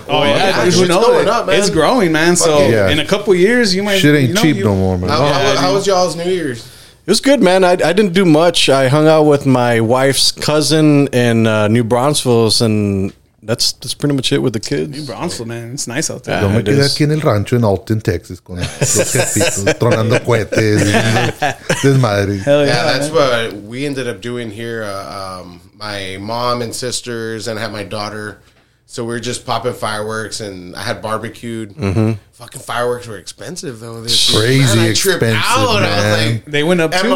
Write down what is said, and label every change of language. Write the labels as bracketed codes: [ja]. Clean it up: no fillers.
[en] Oh, yeah. Who knows? It's growing, man. So in a couple of years, you might. Shit ain't cheap no more, man. How was y'all's New Year's? It was good, man. I didn't do much. I hung out with my wife's cousin in New Brunswick, and that's pretty much it with the kids. New Brunswick, man. It's nice out there. [es] Yo me quedé aquí en el rancho en Alton, Texas, con los jefitos, tronando cohetes. Desmadre. [en] Hell yeah. Yeah, that's what we ended up doing here. My mom and sisters, and I had my daughter. So we were just popping fireworks, and I had barbecued. Mm-hmm. Fucking fireworks were expensive, though. They're crazy, man, expensive, out, man. I was like, they went up, Emma,